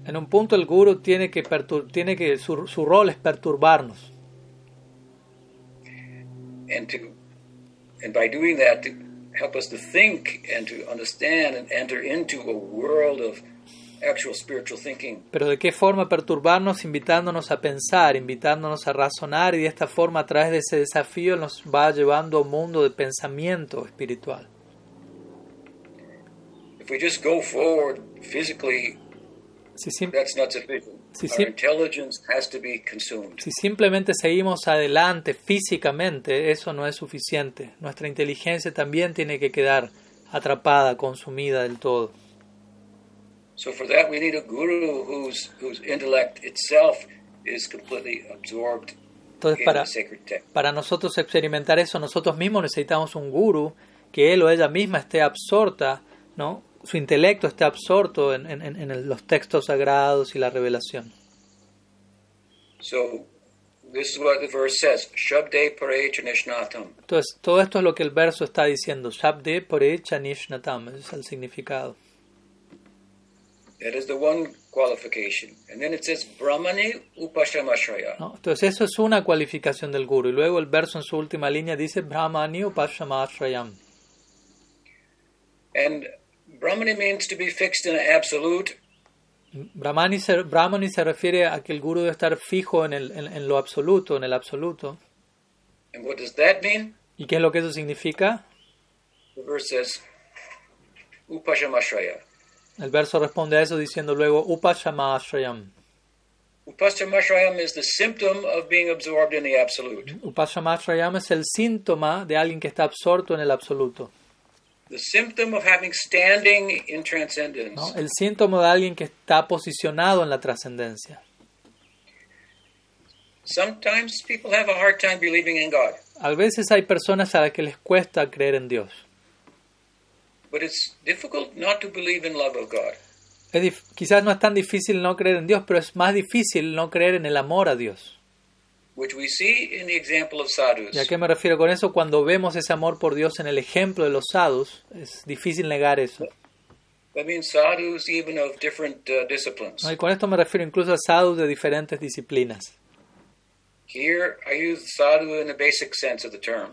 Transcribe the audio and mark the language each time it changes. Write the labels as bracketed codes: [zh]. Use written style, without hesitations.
[es] En un punto el guru tiene que su rol es perturbarnos. [en] And by doing that to help us to think and to understand and enter into a world of actual spiritual thinking. [es] Pero ¿de qué forma perturbarnos? Invitándonos a pensar, invitándonos a razonar, y de esta forma, a través de ese desafío, nos va llevando a un mundo de pensamiento espiritual. [en] If we just go forward physically, that's not sufficient. Our intelligence has to be consumed. [es] Si simplemente seguimos adelante físicamente, eso no es suficiente. Nuestra inteligencia también tiene que quedar atrapada, consumida del todo. [en] So for that we need a guru whose intellect itself is completely absorbed. [es] Entonces, para nosotros experimentar eso, nosotros mismos necesitamos un guru que él o ella misma esté absorta, ¿no? Su intelecto esté absorto en los textos sagrados y la revelación. [en] So this is what the verse says, Shabde Pare Chanishnatam. [es] Entonces, todo esto es lo que el verso está diciendo, Shabde Pare Chanishnatam, ese es el significado. [en] That is the one qualification. And then it says, Brahmani Upashamashraya. [es] No, entonces, eso es una cualificación del Guru. Y luego el verso en su última línea dice, Brahmani Upashamashrayam. [en] And Brahmani means to be fixed in an absolute. [es] Brahmani se refiere a que el Guru debe estar fijo en lo absoluto, en el absoluto. [en] And what does that mean? [es] ¿Y qué es lo que eso significa? [en] The verse says, Upashamashraya. [es] El verso responde a eso diciendo luego Upashamashrayam. [en] Upashamashrayam is the symptom of being absorbed in the absolute. [es] Upashamashrayam es el síntoma de alguien que está absorto en el absoluto. [en] The symptom of having standing in transcendence. [es] ¿No? El síntoma de alguien que está posicionado en la trascendencia. [en] Sometimes people have a hard time believing in God. [es] A veces hay personas a las que les cuesta creer en Dios. [en] But it's difficult not to believe in love of God. [es] Quizás no es tan difícil no creer en Dios, pero es más difícil no creer en el amor a Dios. [en] Which we see in the example of sadhus. [es] ¿Y a qué me refiero con eso? Cuando vemos ese amor por Dios en el ejemplo de los sadhus, es difícil negar eso. [en] I mean sadhus even of different disciplines. [es] No, y con esto me refiero incluso a sadhus de diferentes disciplinas. [en] Here I use sadhu in a basic sense of the term.